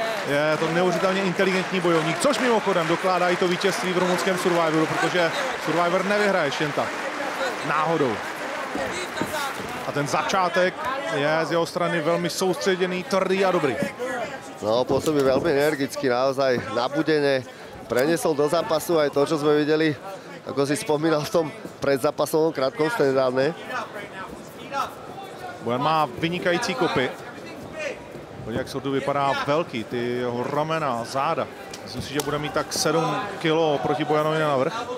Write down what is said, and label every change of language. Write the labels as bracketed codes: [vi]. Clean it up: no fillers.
[cs] Je to neuvěřitelně inteligentní bojovník, což mimochodem dokládá i to vítězství v rumunském Survivoru, protože Survivor nevyhraješ jen tak náhodou. A ten začátek je z jeho strany velmi soustředěný, tvrdý a dobrý. No, působí velmi energicky, naozaj nabudeně. [sk] Prenesol do zápasu aj to, čo sme videli, ako si spomínal v tom predzápasovom krátkom stand-upe. [cs] Bojan má vynikající kopy. Poď, jak Surdu vypadá veľký, ty jeho ramena, záda. Myslím si, že bude mít tak 7 kilo proti Bojanovi na vrch.